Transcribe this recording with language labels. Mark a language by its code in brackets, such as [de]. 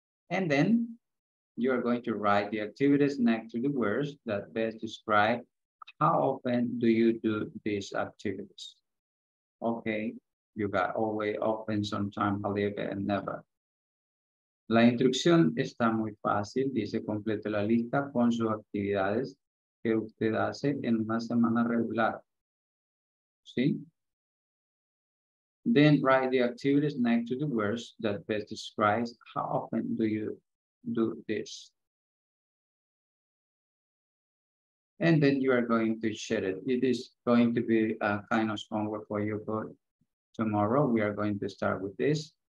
[en] And then you are going to write the activities next to the words that best describe how often do you do these activities. Okay, you got always, often, sometimes, a little bit, and never. [es] La instrucción está muy fácil. Dice, complete la lista con sus actividades que usted hace en una semana regular. ¿Sí? [en] Then write the activities next to the words that best describes how often do you do this. And then you are going to share it. It is going to be a kind of homework for you, but tomorrow we are going to start with this.